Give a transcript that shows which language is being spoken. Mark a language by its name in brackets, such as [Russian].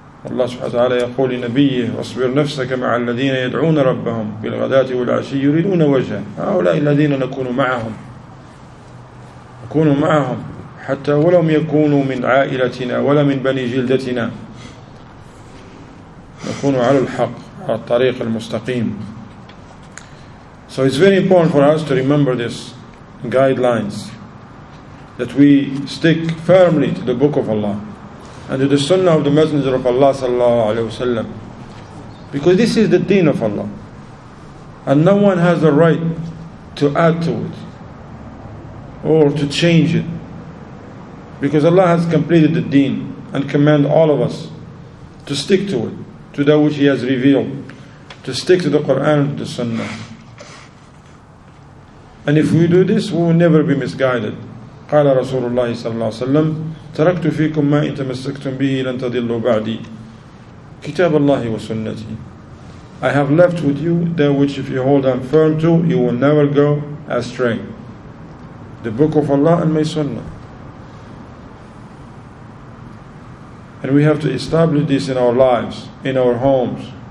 [Arabic] الله سبحانه وتعالى يقول لنبيه واصبر نفسك مع الذين يدعون ربهم بالغداة والعشي يريدون وجهه، هؤلاء الذين نكون معهم، نكون معهم حتى ولم يكونوا من عائلتنا ولا من بني جلدتنا، نكون على الحق على الطريق المستقيم. [English] So it's very important for us to remember this guidelines that we stick firmly to the book of Allah and to the sunnah of the Messenger of Allah sallallahu alayhi wa sallam, because this is the deen of Allah and no one has the right to add to it or to change it, because Allah has completed the deen and command all of us to stick to it, to that which He has revealed, to stick to the Quran and the sunnah. And if we do this, we will never be misguided. [Arabic] قال رسول الله صلى الله عليه وسلم تركت فيكم ما إن تمسكتم به لن تضلوا بعدي كتاب الله وسنتي. [English] I have left with you that which if you hold on firm to, you will never go astray. The book of Allah and my sunnah. And we have to establish this in our lives, in our homes.